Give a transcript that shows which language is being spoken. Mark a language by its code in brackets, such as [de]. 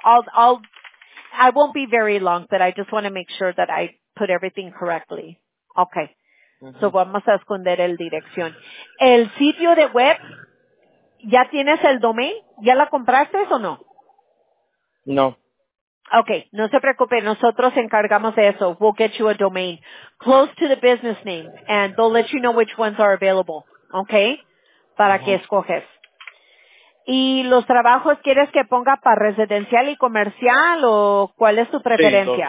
[en] I won't be very long, but I just want to make sure that I put everything correctly. [es] Okay. So vamos a esconder el dirección. El sitio de web, ¿ya tienes el domain? ¿Ya la compraste o no? No. Okay. No se preocupe. Nosotros encargamos de eso. [en] We'll get you a domain close to the business name, and they'll let you know which ones are available. [es] Okay. Para que escoges. ¿Y los trabajos quieres que ponga para residencial y comercial o cuál es tu preferencia?